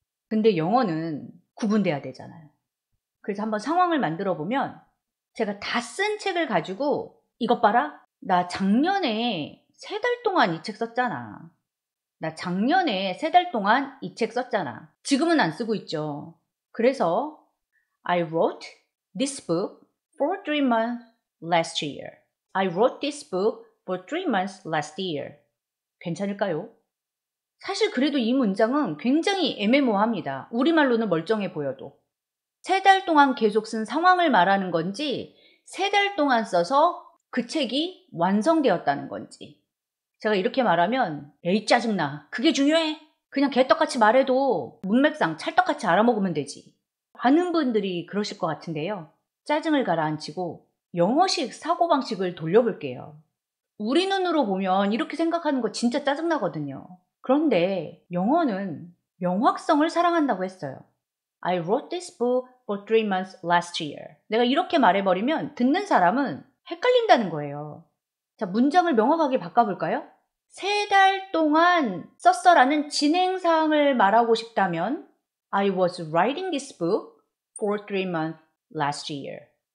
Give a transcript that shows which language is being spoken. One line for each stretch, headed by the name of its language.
Korean: 근데 영어는 구분돼야 되잖아요. 그래서 한번 상황을 만들어 보면 제가 다 쓴 책을 가지고 이것 봐라. 나 작년에 세 달 동안 이 책 썼잖아. 나 작년에 세 달 동안 이 책 썼잖아. 지금은 안 쓰고 있죠. 그래서
English: I wrote this book for 3 months last year. I wrote this book for 3 months last year.
Korean: 괜찮을까요? 사실 그래도 이 문장은 굉장히 애매모호합니다. 우리말로는 멀쩡해 보여도. 세 달 동안 계속 쓴 상황을 말하는 건지 세 달 동안 써서 그 책이 완성되었다는 건지. 제가 이렇게 말하면 에이 짜증나. 그게 중요해. 그냥 개떡같이 말해도 문맥상 찰떡같이 알아먹으면 되지. 많은 분들이 그러실 것 같은데요. 짜증을 가라앉히고 영어식 사고방식을 돌려볼게요. 우리 눈으로 보면 이렇게 생각하는 거 진짜 짜증나거든요. 그런데 영어는 명확성을 사랑한다고 했어요.
English: I wrote this book for 3 months last year.
Korean: 내가 이렇게 말해버리면 듣는 사람은 헷갈린다는 거예요. 자, 문장을 명확하게 바꿔볼까요? 세 달 동안 썼어라는 진행사항을 말하고 싶다면
English: I was writing this book for 3 months last year.